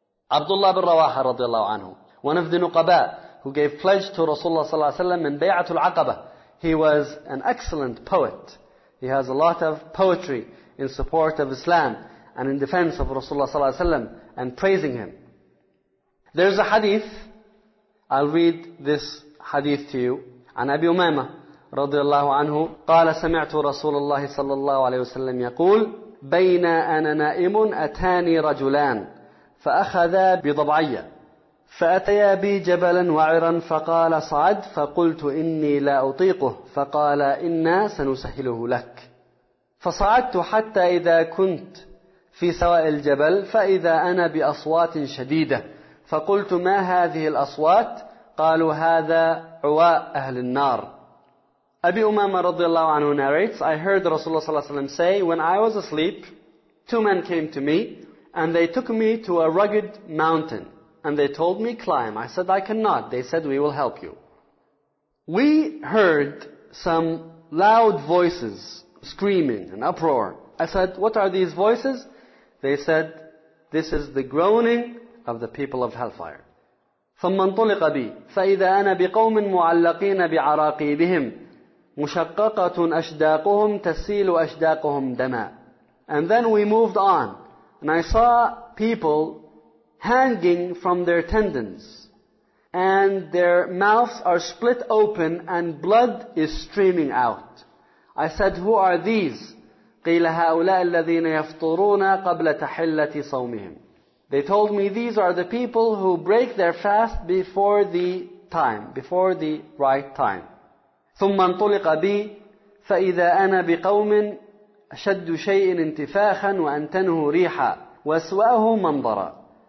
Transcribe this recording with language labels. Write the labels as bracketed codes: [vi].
[en] Abdullah bin Rawaha radiallahu anhu, one of the nuqaba who gave pledge to Rasulullah sallallahu alaihi wasallam in Bay'atul Aqaba. He was an excellent poet. He has a lot of poetry in support of Islam and in defense of Rasulullah sallallahu alaihi wasallam and praising him. There's a hadith. I'll read this hadith to you. [ar] An Abi Umama رضي الله عنه قال سمعت رسول الله صلى الله عليه وسلم يقول بين أنا نائم أتاني رجلان فأخذا بضبعية فأتيا بي جبلا وعرا فقال صعد فقلت إني لا أطيقه فقال إنا سنسهله لك فصعدت حتى إذا كنت في سواء الجبل فإذا أنا بأصوات شديدة فقلت ما هذه الأصوات قالوا هذا عواء أهل النار. [en] Abi Umama radiallahu anhu narrates, "I heard Rasulullah sallallahu alaihi wasallam say, when I was asleep, two men came to me and they took me to a rugged mountain and they told me, climb. I said, I cannot. They said, we will help you. We heard some loud voices screaming and uproar. I said, what are these voices? They said, this is the groaning of the people of hellfire. [ar] ثُمَّ انطلق بي فَإِذَا أَنَا بِقَوْمٍ مُعَلَّقِينَ بِعَرَاقِيبِهِمْ مشققة أشداقهم تسيل أشداقهم دما. [en] And then we moved on, and I saw people hanging from their tendons, and their mouths are split open, and blood is streaming out. I said, who are these? [ar] قيل هؤلاء الذين يفطرون قبل تحلة صومهم. [en] They told me, these are the people who break their fast before the time, before the right time. [ar] ثُمَّ انْطُلِقَ بِي فَإِذَا أَنَا بِقَوْمٍ أَشَدُّ شَيْءٍ انْتِفَاخًا وَأَنْتَنُهُ رِيحًا وَأَسْوَأُهُ مَنْظَرًا.